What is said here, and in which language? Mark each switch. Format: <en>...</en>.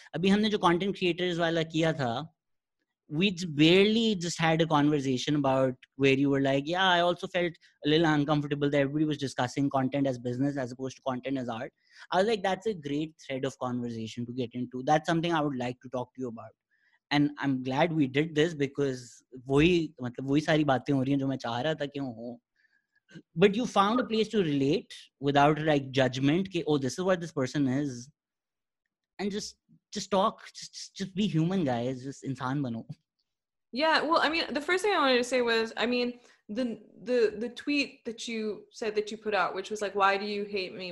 <hi>अभी हमने जो content creators वाला किया था,</hi> <en>we barely just had a conversation about where you were like, yeah, I also felt a little uncomfortable that everybody was discussing content as business as opposed to content as art. I was like, that's a great thread of conversation to get into. That's something I would like to talk to you about. And I'm glad we did this because</en> <hi>वही मतलब वही सारी बातें हो रही हैं जो मैं चाह रहा था क्यों हो.</hi> <en>But you found a place to relate without like judgment, ke, oh, this is what this person is. And just talk, just be human, guys. Just</en> <hi>insan bano.</hi> <en>Yeah, well, I mean, the first thing I wanted to say was, I mean, the tweet that you said that you put out, which was like, why do you hate me?</en>